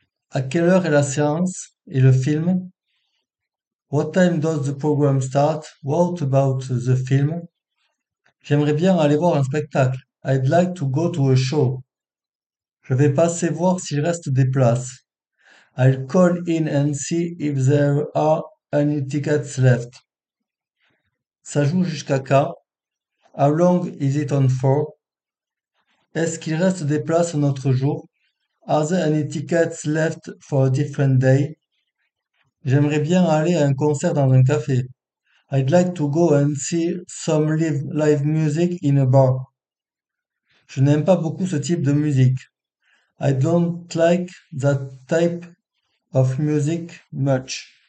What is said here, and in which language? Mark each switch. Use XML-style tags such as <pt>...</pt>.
<fr>À quelle heure est la séance et le film?</fr> <en>What time does the program start? What about the film?</en> <fr>J'aimerais bien aller voir un spectacle.</fr> <en>I'd like to go to a show.</en> <fr>Je vais passer voir s'il reste des places.</fr> <en>I'll call in and see if there are any tickets left.</en> <fr>Ça joue jusqu'à quand?</fr> <en>How long is it on for?</en> <fr>Est-ce qu'il reste des places un autre jour?</fr> <en>Are there any tickets left for a different day?</en> <fr>J'aimerais bien aller à un concert dans un café.</fr> <en>I'd like to go and see some live music in a bar.</en> <fr>Je n'aime pas beaucoup ce type de musique.</fr> <en>I don't like that type of music much.</en>